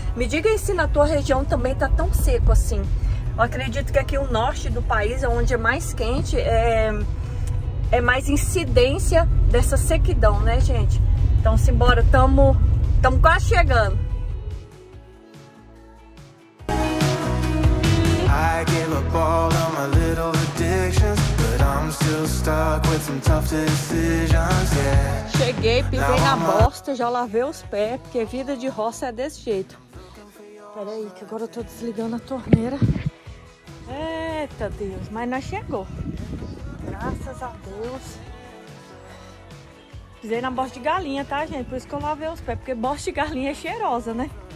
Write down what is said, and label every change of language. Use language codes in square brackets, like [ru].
[pt] Me diga aí se na tua região também tá tão seco assim. Eu acredito que aqui o norte do país, onde é mais quente, é mais incidência dessa sequidão, né, gente? Então simbora, tamo quase chegando. [en] I gave up all of my little addictions, but I'm still stuck with some tough decisions, yeah. [pt] Cheguei, pisei na bosta, já lavei os pés, porque vida de roça é desse jeito. Pera aí, que agora eu tô desligando a torneira. Eita Deus, mas nós chegou. Graças a Deus. Pisei na bosta de galinha, tá, gente? Por isso que eu lavei os pés, porque bosta de galinha é cheirosa, né?